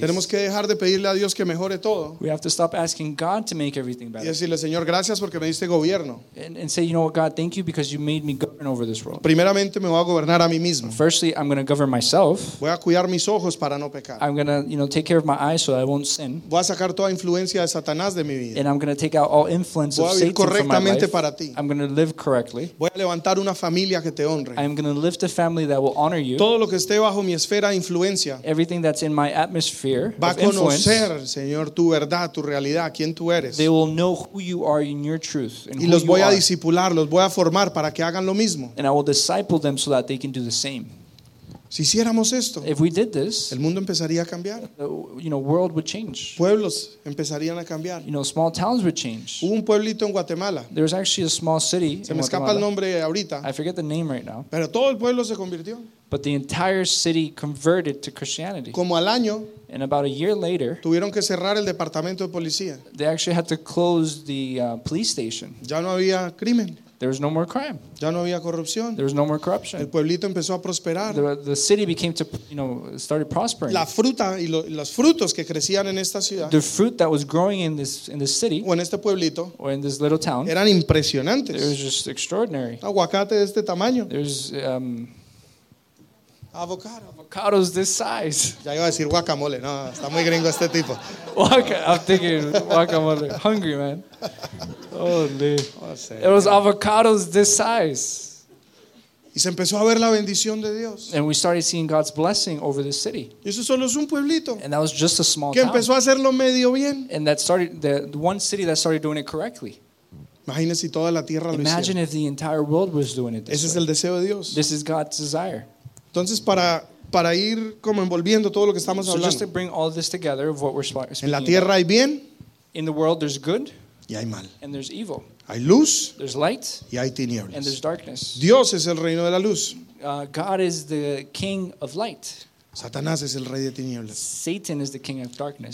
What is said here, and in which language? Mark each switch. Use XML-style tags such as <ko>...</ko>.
<es>Tenemos que dejar de pedirle a Dios que mejore todo.</es> <en>We have to stop asking God to make everything better.</en> <es>Y decirle, Señor, gracias porque me diste gobierno.</es> <en>And say, you know what, God, thank you because you made me govern over this world.</en> <es>Primeramente me voy a gobernar a mí mismo.</es> <en>Firstly, I'm going to govern myself.</en> <es>Voy a cuidar mis ojos para no pecar.</es> <en>I'm going to, you know, take care of my eyes so that I won't sin.</en> <es>Voy a sacar toda influencia de Satanás de mi vida.</es> <en>And I'm going to take out all influence of Satan from my life.</en> <es>Voy a vivir correctamente para ti.</es> <en>I'm going to live correctly.</en> <es>Voy a levantar una familia que te honre.</es> <en>I am going to lift a family that will honor you.</en> <es>Todo lo que esté bajo mi esfera de influencia,</es> <en>everything that's in my atmosphere</en> <es>va</es> <en>of influence,</en> <es>conocer, Señor, tu verdad, tu realidad, quién tú eres.</es> <en>They will know who you are in your truth.</en> <es>Y los voy a discipular, los voy a formar para que hagan lo mismo.</es> <en>And I will disciple them so that they can do the same.</en> <es>Si hiciéramos esto,</es> <en>if we did this,</en> <es>el mundo empezaría a cambiar.</es> <en>You know, world would change.</en> <es>Pueblos empezarían a cambiar.</es> <en>You know, small towns would change.</en> <es>Hubo un pueblito en Guatemala.</es> <en>There was actually a small city.</en> <es>Se me escapa el nombre ahorita.</es> <en>I forget the name right now.</en> <es>Pero todo el pueblo se convirtió.</es> <en>But the entire city converted to Christianity.</en> <es>Como al año,</es> <en>and about a year later,</en> <es>tuvieron que cerrar el departamento de policía.</es> <en>They actually had to close the police station.</en> <es>Ya no había crimen.</es> <en>There was no more crime.</en> <es>Ya no había corrupción.</es> <en>There was no more corruption.</en> <es>El pueblito empezó a prosperar.</es> <en>The city became to, you know, started prospering.</en> <es>La fruta y los frutos que crecían en esta ciudad.</es> <en>The fruit that was growing in this city.</en> <es>O en este pueblito.</es> <en>Or in this little town.</en> <es>Eran impresionantes.</es> <en>It was just extraordinary.</en> <es>Aguacate de este tamaño.</es> <en>There's avocados this size.</en> <es>Ya iba a decir guacamole. No, está muy gringo este tipo.</es> <en>I'm thinking guacamole. Hungry, man. Holy. It was avocados this size.</en> <es>Y se empezó a ver la bendición de Dios.</es> <en>And we started seeing God's blessing over the city.</en> <es>Y eso solo es un pueblito.</es> <en>And that was just a small</en> <es>que</es> <en>town.</en> <es>Empezó a hacerlo medio bien.</es> <en>And that started the one city that started doing it correctly.</en> <es>Imagínese si toda la tierra lo</es> <en>imagine</en> <es>hiciera.</es> <en>If the entire world was doing it this</en> <es>ese</es> <en>way.</en> <es>Es el deseo de Dios.</es> <en>This is God's desire.</en> <es>Entonces para ir como envolviendo todo lo que estamos</es> <en>so</en> <es>hablando.</es> <en>Just to bring all this together of what we're speaking.</en> <es>En la tierra</es> <en>about.</en> <es>Hay bien.</es> <en>In the world there's good.</en> <es>Y hay mal.</es> <en>And there's evil.</en> <es>Hay luz.</es> <en>There's light.</en> <es>Y hay tinieblas.</es> <en>And there's darkness.</en> <es>Dios es el reino de la luz.</es> <en>God is the king of light.</en> <es>Satanás es el rey de tinieblas.</es> <en>Satan is the king of darkness.</en>